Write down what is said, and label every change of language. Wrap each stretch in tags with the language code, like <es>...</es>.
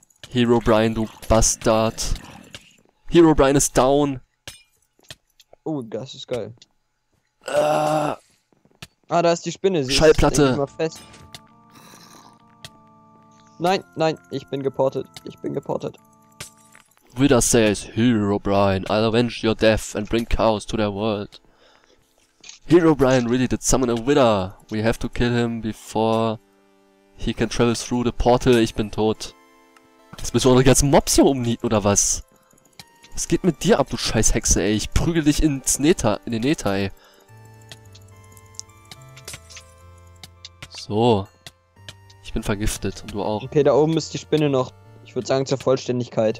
<de>Herobrine, du Bastard. Herobrine ist down. Oh, das ist geil. Ah, da ist die Spinne. Sie Schallplatte. Ist immer fest. Nein, nein, ich bin geportet.</de> <en>Wither says, Herobrine, I'll avenge your death and bring chaos to their world. Herobrine really did summon a Wither. We have to kill him before he can travel through the portal.</en> <de>Ich bin tot. Jetzt müssen wir unsere ganzen Mobs hier umnieten, oder was? Was geht mit dir ab, du scheiß Hexe, ey? Ich prügel dich ins Nether, in den Nether, ey. So. Ich bin vergiftet und du auch. Okay, da oben ist die Spinne noch. Ich würde sagen, zur Vollständigkeit.</de>